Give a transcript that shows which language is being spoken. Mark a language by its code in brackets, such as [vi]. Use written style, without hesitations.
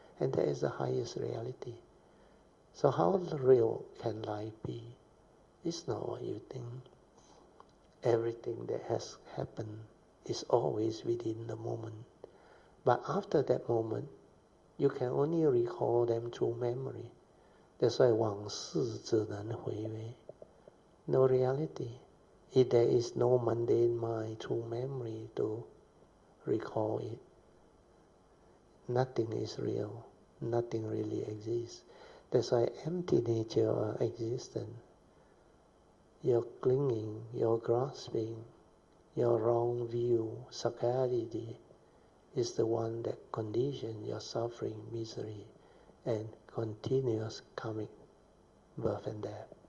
[en] And that is the highest reality. So how real can life be? It's not what you think. Everything that has happened is always within the moment. But after that moment, you can only recall them through memory. That's why [zh] 往事只能回味. [en] No reality. If there is no mundane mind through memory to recall it, nothing is real. Nothing really exists. That's why empty nature of existence. Your clinging, your grasping, your wrong view, sakality, is the one that conditions your suffering, misery, and continuous coming, birth and death.